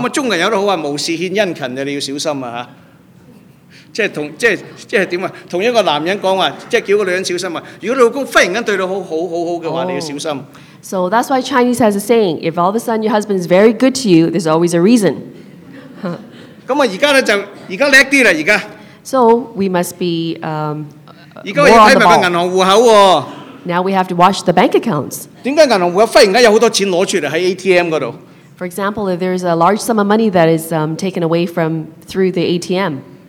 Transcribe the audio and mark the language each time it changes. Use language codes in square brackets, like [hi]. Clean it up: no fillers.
[yue] 咁啊，中國有都好話無事獻殷勤嘅，你要小心啊！即係同一個男人講話，即係叫個女人小心啊！如果老公忽然間對你好好好嘅話，你要小心。 [en] So that's why Chinese has a saying: If all of a sudden your husband is very good to you, there's always a reason. [yue] 咁啊，而家咧就而家叻啲啦，而家。 [en] So we must be. [yue] 而家要睇埋個銀行户口喎。 [en] Now we have to watch the bank accounts. [yue] 點解銀行户口忽然間有好多錢攞出嚟喺 ATM 嗰度？ [en] For example, if there is a large sum of money that is taken away from through the ATM,